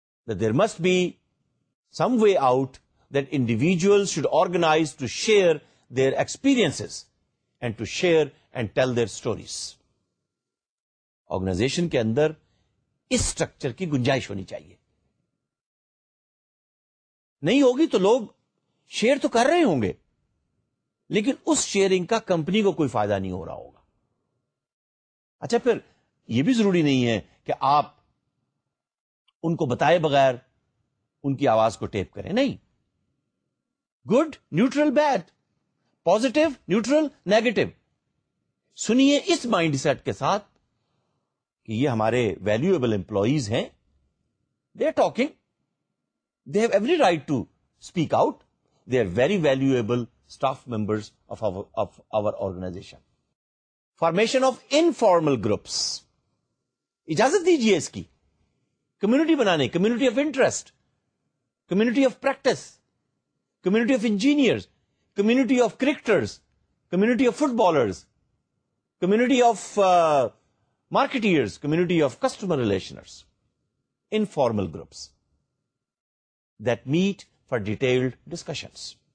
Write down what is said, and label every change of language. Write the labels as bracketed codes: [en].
[en] That there must be some way out that individuals should organize to share their experiences and to share and tell their stories. [ur] Organization کے اندر اس structure کی گنجائش ہونی چاہیے. نہیں ہوگی تو لوگ شیئر تو کر رہے ہوں گے لیکن اس شیئرنگ کا کمپنی کو کوئی فائدہ نہیں ہو رہا ہوگا. اچھا پھر یہ بھی ضروری نہیں ہے کہ آپ ان کو بتائے بغیر ان کی آواز کو ٹیپ کریں. نہیں, [en] good neutral bad, positive neutral negative, [ur] سنیے اس مائنڈ سیٹ کے ساتھ یہ ہمارے ویلیوبل امپلائیز ہیں. [en] They are talking, they have every right to speak out, they are very valuable staff members of our organisation. Formation of informal groups, [ur] اجازت دیجیے اس کی, [en] Community بنانے, community of interest, community of practice, community of engineers, community of cricketers, community of footballers, community of marketeers, community of customer relationers, informal groups that meet for detailed discussions.